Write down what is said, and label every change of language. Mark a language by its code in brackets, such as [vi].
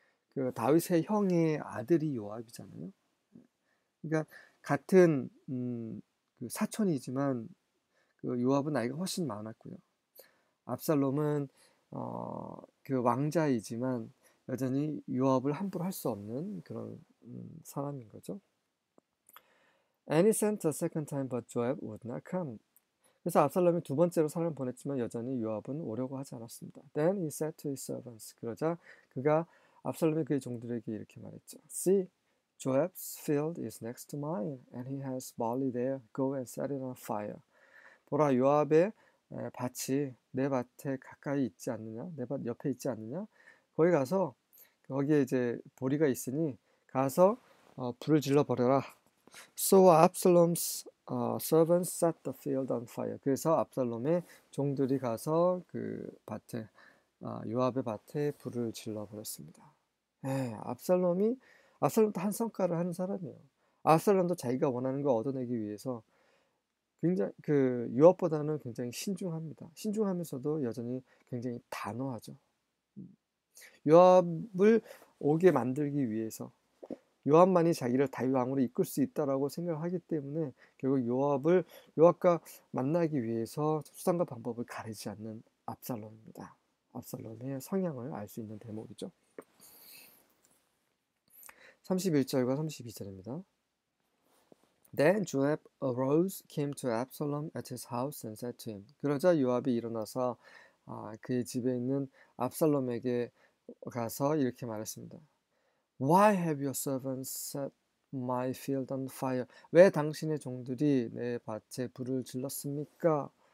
[ko] 그 다윗의 형의 아들이 요압이잖아요. 그러니까 같은 그 사촌이지만 그 요압은 나이가 훨씬 많았고요. 압살롬은 그 왕자이지만 여전히 요압을 함부로 할수 없는 그런 사람인 거죠. [en] And he sent a second time, but Joab would not come. [ko] 그래서 압살롬이 두 번째로 사람을 보냈지만 여전히 요압은 오려고 하지 않았습니다. [en] Then he said to his servants. [ko] 그러자 그가 압살롬이 그의 종들에게 이렇게 말했죠. [en] See, Joab's field is next to mine, and he has barley there. Go and set it on fire. [ko] 보라, 요압의 밭이 내 밭에 가까이 있지 않느냐? 내밭 옆에 있지 않느냐? 거기 가서 거기에 이제 보리가 있으니 가서 불을 질러 버려라. [en] So Absalom's servants set the field on fire. [ko] 그래서 압살롬의 종들이 가서 그 밭에 요압의 밭에 불을 질러 버렸습니다. 압살롬도 한 성과를 하는 사람이에요. 압살롬도 자기가 원하는 걸 얻어내기 위해서 굉장히 그 유업보다는 굉장히 신중합니다. 신중하면서도 여전히 굉장히 단호하죠. 유업을 오게 만들기 위해서 유업만이 자기를 다윗왕으로 이끌 수 있다라고 생각을 하기 때문에 결국 유업과 만나기 위해서 수단과 방법을 가리지 않는 압살롬입니다. 압살롬의 성향을 알수 있는 대목이죠. 31절과 32절입니다. [en] Then Joab arose, came to Absalom at his house and said to him. [ko] 그러자 요압이 일어나서 그의 집에 있는 압살롬에게 가서 이렇게 말했습니다. [en] Why have your servants set my field on fire? [ko] 왜 당신의 종들이 내 밭에 불을 질렀습니까?